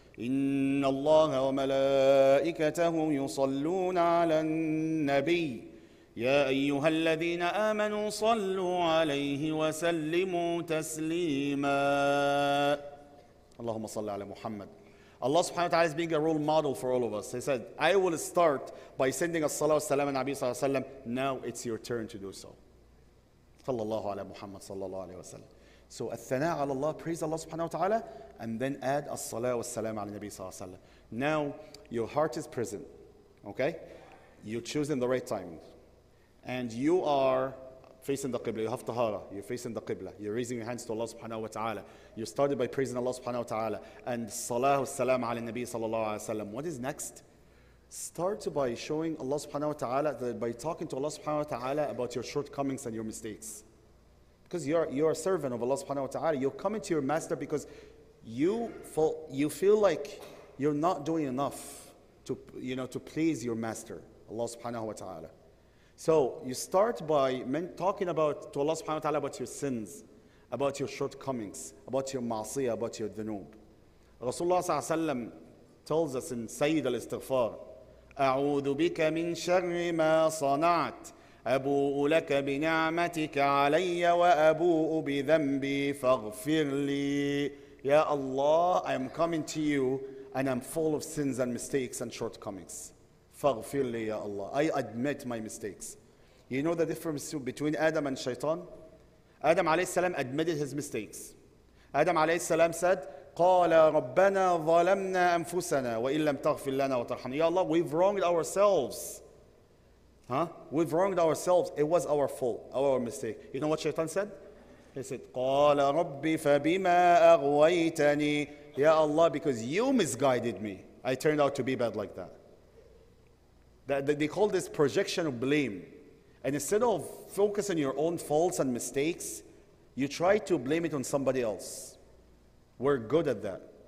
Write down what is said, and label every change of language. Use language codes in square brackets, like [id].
[ar] إن الله وملائكته يصلون على النبي يا أيها الذين آمنوا صلوا عليه وسلموا تسليما. اللهم صل على محمد. [en] Allah subhanahu wa ta'ala is being a role model for all of us. He said, I will start by sending a salah wa salam on Nabi sallallahu alayhi wa sallam. Now it's your turn to do so. [ar] صلى الله على محمد صلى الله عليه وسلم. [en] So al-thana' ala Allah, praise Allah subhanahu wa ta'ala, and then add as-salah wa salam ala Nabi sallallahu alayhi wa sallam. Now, your heart is present, okay? You're choosing the right time. And you are facing the qibla, you have tahara, you're facing the qibla, you're raising your hands to Allah subhanahu wa ta'ala. You started by praising Allah subhanahu wa ta'ala, and salah wa salam ala Nabi sallallahu alayhi wa sallam. What is next? Start by showing Allah subhanahu wa ta'ala, by talking to Allah subhanahu wa ta'ala about your shortcomings and your mistakes. Because you're a servant of Allah subhanahu wa ta'ala. You're coming to your master because you feel like you're not doing enough to please your master, Allah subhanahu wa ta'ala. So you start by talking about to Allah subhanahu wa ta'ala about your sins, about your shortcomings, about your ma'asiyah, about your dhunub. Rasulullah sallallahu alayhi wa sallam tells us in Sayyid al-Istighfar, [ar] أَعُوذُ بِكَ مِن شَرِّ مَا صَنَعْتِ أبوء لك بنعمتك علي وأبوء بذنبي فاغفر لي. [en] Ya Allah, I am coming to you and I'm full of sins and mistakes and shortcomings. [ar] فاغفر لي, Ya Allah. [en] I admit my mistakes. You know the difference between Adam and Shaitan? Adam عليه السلام admitted his mistakes. Adam عليه السلام said, [ar] قال ربنا ظلمنا أنفسنا وإن لم تغفر لنا وترحمنا. [en] Ya Allah, we've wronged ourselves. Huh? We've wronged ourselves. It was our fault, our mistake. You know what Shaitan said? He said, [ar] قَالَ رَبِّي فَبِمَا أَغْوَيْتَنِي. [en] Ya Allah, because you misguided me, I turned out to be bad like that. They call this projection of blame. And instead of focusing on your own faults and mistakes, you try to blame it on somebody else. We're good at that.